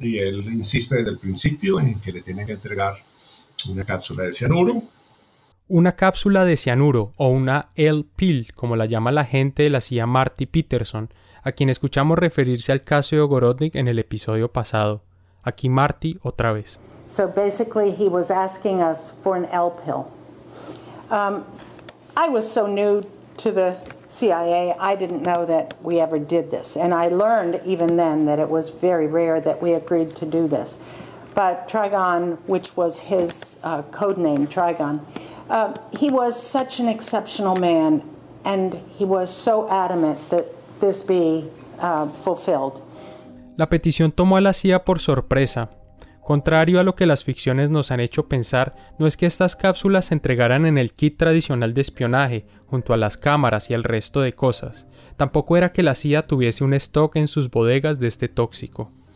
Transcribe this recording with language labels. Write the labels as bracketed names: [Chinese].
[Spanish] Y él insiste desde el principio en que le tiene que entregar una cápsula de cianuro. Una cápsula de cianuro, o una L-Pill, como la llama la gente de la CIA Marty Peterson, a quien escuchamos referirse al caso de Ogorodnik en el episodio pasado. Aquí Marty otra vez. [English] So basically he was asking us for an L-Pill. I was so new to the CIA, I didn't know that we ever did this. And I learned even then that it was very rare that we agreed to do this. But Trigon, which was his code name, Trigon, he was such an exceptional man. And he was so adamant that this be fulfilled. [Spanish] La petición tomó a la CIA por sorpresa. Contrario a lo que las ficciones nos han hecho pensar, no es que estas cápsulas se entregaran en el kit tradicional de espionaje, junto a las cámaras y el resto de cosas. Tampoco era que la CIA tuviese un stock en sus bodegas de este tóxico.